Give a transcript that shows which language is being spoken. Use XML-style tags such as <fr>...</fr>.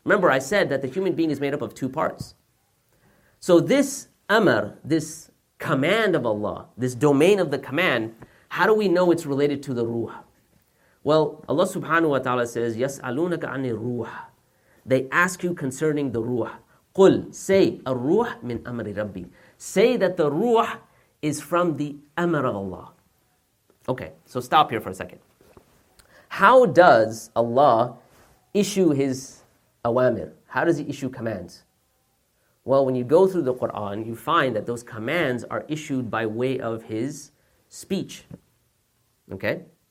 <en>Remember, I said that the human being is made up of two parts. So this amr, this command of Allah, this domain of the command, how do we know it's related to the ruh? Well, Allah subhanahu wa ta'ala says,</en> <ar>يَسْأَلُونَكَ عَنِ الرُّوحِ.</ar> <en>They ask you concerning the ruh.</en> <ar>قُلْ,</ar> <en>say,</en> <ar>الروح مِنْ أَمْرِ رَبِّي.</ar> <en>Say that the ruh is from the amr of Allah. Okay, so stop here for a second. How does Allah issue his awamir? How does he issue commands? Well, when you go through the Qur'an, you find that those commands are issued by way of his speech. Okay?</en>